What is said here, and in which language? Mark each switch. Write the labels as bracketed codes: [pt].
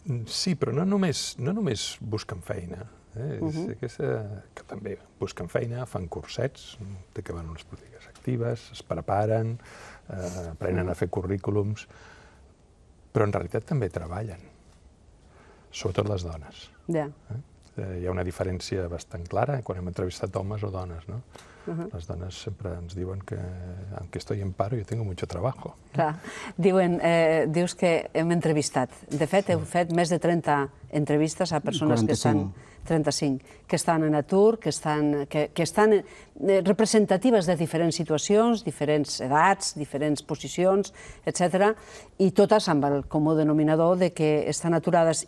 [ca] Sí, però no només busquen feina, que també busquen feina, fan cursets, té que van unes polítiques actives, es preparen, aprenen a fer currículums, però en realitat també treballen, sobretot les dones. Yeah. Hi ha una diferència bastant clara quan hem entrevistat homes o dones, no? Les dones sempre ens diuen que, [es] aunque estoy en paro, yo tengo mucho trabajo. [ca] Clar. Dius que hem entrevistat. De fet, sí. Heu fet més de 30 entrevistes a persones 45. Que estan... 35. Que estan en atur, que estan representatives de diferents situacions, diferents edats, diferents posicions, etc. I totes amb el comú denominador de que estan aturades.